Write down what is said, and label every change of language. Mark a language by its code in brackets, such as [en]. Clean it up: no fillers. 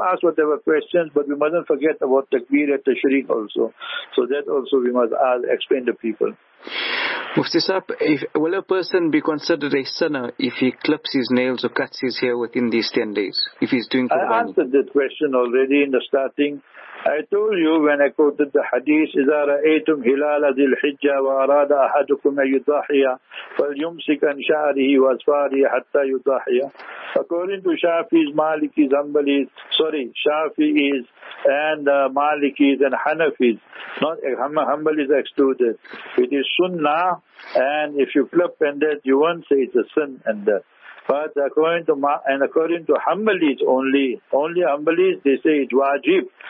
[en] Ask whatever questions, but we mustn't forget about takbir at tashriq also. So that also we must ask, explain to people. Mufti Saab, will a person be considered a sinner if he clips his nails or cuts his hair within these 10 days? If he's doing qurbani? I answered that question already in the starting. I told you when I quoted the hadith, [ar] إِذَا رَأَيْتُمْ هِلَالَ ذِي الْحِجَّةِ وَأَرَادَ أَحَدُكُمْ يُضَاحِيَ فَلْيُمْسِكْ عَنْ شَعْرِهِ وَأَظْفَارِهِ حَتَّى يُضَاحِيَ. [en] According to Shafi's, Maliki's, Hanbali's, sorry, Shafi's and Maliki's and Hanafi's, not Hanbali's excluded. It is Sunnah, and if you clip and that, you won't say it's a sin and that. But according to Hanbalis only Hanbalis, they say it's wajib.